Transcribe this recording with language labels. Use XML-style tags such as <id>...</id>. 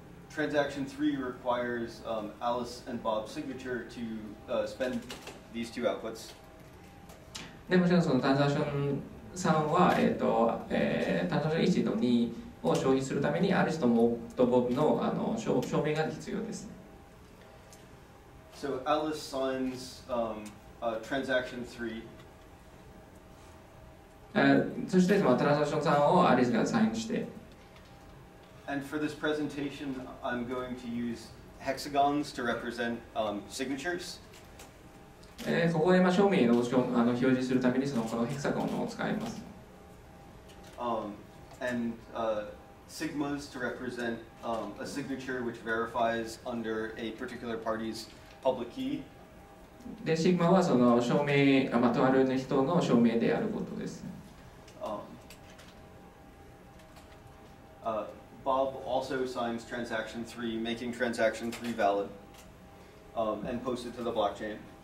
<en>Transaction 3 requires Alice and Bob's signature to spend these two outputs.</en> <ja>でもちろんそのトランザクション3は、トランザクション1と2を消費するためにアリスとBob の、証明が必要です。</ja> <en>So Alice signs transaction 3.</en> <ja>そしてそのトランザクション3をアリスがサインして。</ja> <en>And for this presentation, I'm going to use hexagons to represent signatures.</en> <ja>ここで証明を表示するためにこのヘクサゴンを使います。</ja> <en>And sigmas to represent a signature which verifies under a particular party's public key.</en> <ja>で、シグマはその証明、まあ、とある人の証明であることです。</ja> <en>Bob also signs transaction 3, making transaction 3 valid, and posts it to the blockchain.</en>